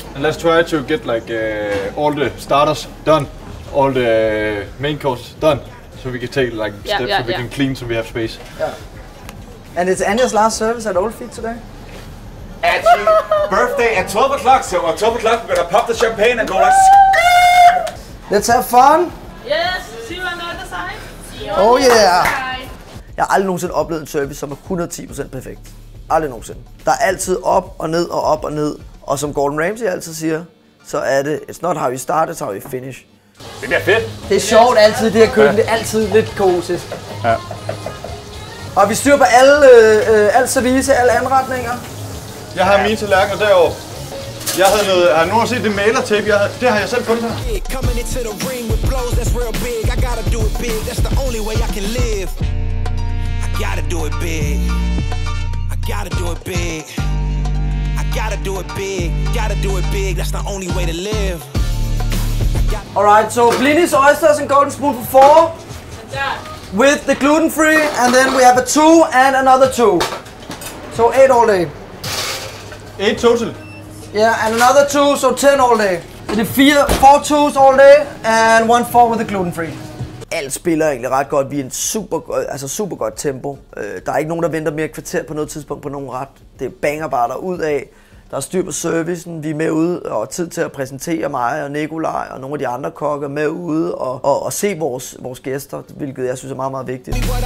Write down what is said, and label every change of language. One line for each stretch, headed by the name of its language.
English: And let's try to get like all the starters done, all the main course done, so we can take like steps so we can clean, so we have space. Yeah. And it's Anja's last service at Old Feet today? At your birthday at 12 o'clock, so at 12 o'clock we're gonna pop the champagne and go like let's have fun! Yes, see you on the other side! Oh yeah! Side.
Danish: Jeg har aldrig nogensinde oplevet en service, som er 110% perfekt. Aldrig nogensinde. Der er altid op og ned og op og ned. Og som Gordon Ramsay altid siger, så er det,
English: it's not how you start, it's how you finish.
Danish: Det bliver fedt. Det er sjovt altid, det her køkken. Ja. Det er altid lidt kaotisk. Ja. Og vi styrer på alle, alt service, alle anretninger. Jeg har mine tallerkener derovre. Jeg havde noget, har nu også set det malertape, jeg havde, det har jeg selv fundet her.
English: Coming into the ring with blows that's real big. I gotta do it big, that's the only way I can live. I gotta do it big. I gotta do it big. I gotta do it big. Gotta do it big, that's the only way to live. Alright, so Blinis, oysters and golden spoon for four. With the gluten-free, and then we have a two and another two. So eight all day. Eight total. Yeah, and another two, so 10 all day.
Danish: Så det er
English: four twos all day, and one four with the gluten-free.
Danish: Alt spiller egentlig ret godt. Vi er en super, altså super godt tempo. Der er ikke nogen, der venter mere kvarter på noget tidspunkt på nogen ret. Det banger bare derudad. Der er styr på servicen, vi er med ude og tid til at præsentere mig og Nikolaj og nogle af de andre kokke med ude og se vores gæster, hvilket jeg synes er meget, meget vigtigt.